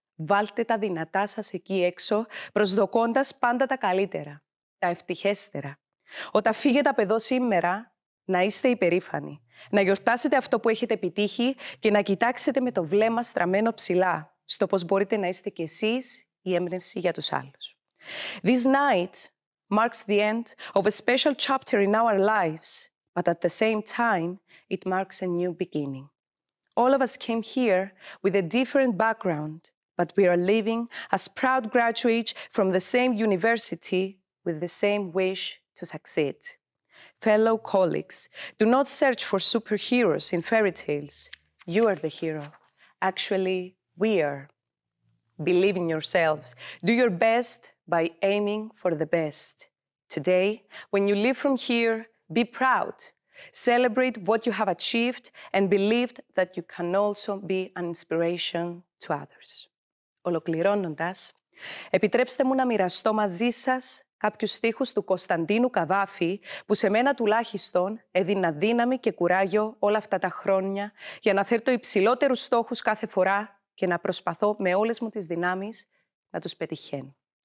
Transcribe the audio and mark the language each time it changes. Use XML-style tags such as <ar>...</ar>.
<el>Βάλτε τα δυνατά σας εκεί έξω, προσδοκώντας πάντα τα καλύτερα, τα ευτυχέστερα. Όταν φύγετε από εδώ σήμερα, να είστε υπερήφανοι. Να γιορτάσετε αυτό που έχετε επιτύχει και να κοιτάξετε με το βλέμμα στραμμένο ψηλά στο πώς μπορείτε να είστε κι εσείς η έμπνευση για τους άλλους.</el> <en>This night marks the end of a special chapter in our lives, but at the same time, it marks a new beginning. All of us came here with a different background, but we are leaving as proud graduates from the same university with the same wish to succeed. Fellow colleagues, do not search for superheroes in fairy tales. You are the hero. Actually, we are. Believe in yourselves. Do your best by aiming for the best. Today, when you leave from here, be proud. Celebrate what you have achieved and believe that you can also be an inspiration to others.</en> <el>Ολοκληρώνοντας, επιτρέψτε μου να μοιραστώ μαζί σας κάποιους στίχους του Κωνσταντίνου Καβάφη, που σε μένα τουλάχιστον έδινα δύναμη και κουράγιο όλα αυτά τα χρόνια για να θέρτω υψηλότερους στόχους κάθε φορά και να προσπαθώ με όλες μου τις δυνάμεις να τους πετυχαίνω.</el>